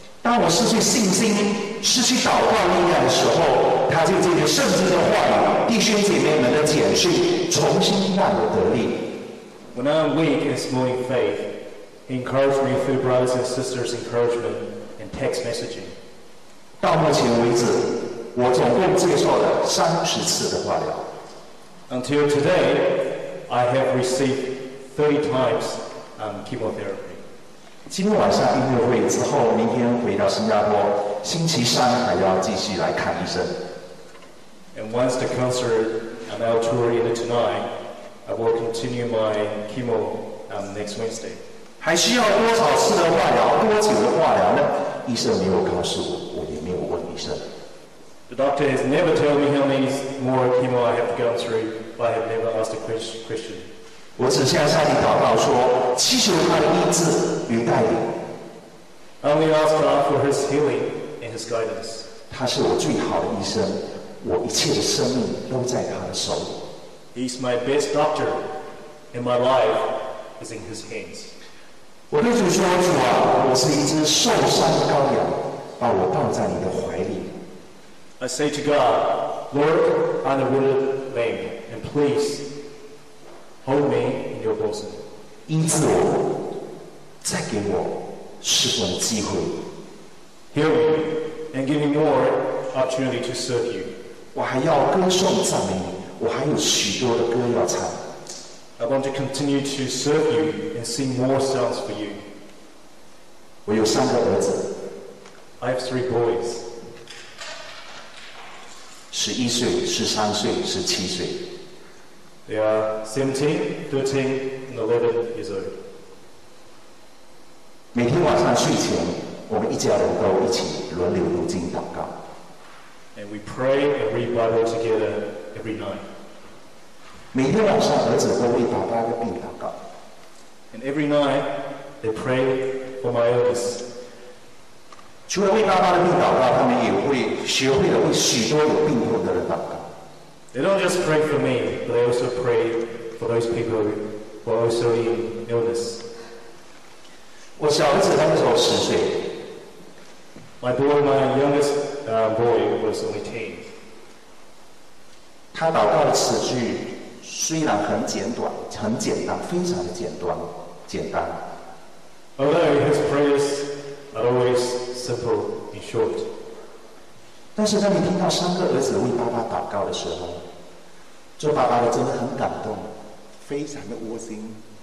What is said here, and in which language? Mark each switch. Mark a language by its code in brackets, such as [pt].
[zh] 当我失去信心、失去祷告力量的时候，他就借着圣经的话语、弟兄姐妹们的简讯，重新让我得力。 [en] When I'm weak and small in faith, He encourages me through brothers and sisters' encouragement and text messaging. [zh] 到目前为止，我总共接受了30次的化疗。 [en] Until today, I have received 30 times chemotherapy. [zh] 今天晚上音乐会之后，明天回到新加坡，星期三还要继续来看医生。 [en] And once the concert and our tour ended tonight, I will continue my chemo next Wednesday. [zh] 还需要多少次的化疗？多久的化疗呢？医生没有告诉我，我也没有问医生。 [en] The doctor has never told me how many more chemo I have to go through, but I have never asked a question. [zh] 我只向上帝祷告说，祈求他的医治与带领。 [en] I only ask God for His healing and His guidance. [zh] 他是我最好的医生，我一切的生命都在他的手里。 [en] He's my best doctor, and my life is in his hands. [zh] 我对主说，主啊，我是一只受伤的羔羊，把我抱在你的怀里。 [en] I say to God, Lord, I'm a wounded lamb, and please hold me in your bosom. [zh] 医治我，再给我侍奉的机会。 [en] Heal me and give me more opportunity to serve you. [zh] 我还要歌颂赞美你，我还有许多的歌要唱。 [en] I want to continue to serve you and sing more songs for you. [zh] 我有三个儿子。 [en] I have three boys. [zh] 11岁、13岁、17岁。 [en] They are 17, 13, and 11 years old. [zh] 每天晚上睡前，我们一家人都一起轮流读经祷告。 [en] And we pray and read Bible together every night. [zh] 每天晚上，儿子都为爸爸的病祷告。 [en] And every night, they pray for my illness. [zh] 除了为爸爸的病祷告，他们也会学会了为许多有病痛的人祷告。 [en] They don't just pray for me, but they also pray for those people who are also in illness. [zh] 我小儿子那时候十岁。 [en] My youngest boy was only 10. [zh] 他祷告的词句。虽然很简短，很简单，非常的简短，简单。 [en] Although his prayers are always simple and short. [zh] 但是当你听到三个儿子为爸爸祷告的时候，做爸爸的真的很感动，非常的窝心。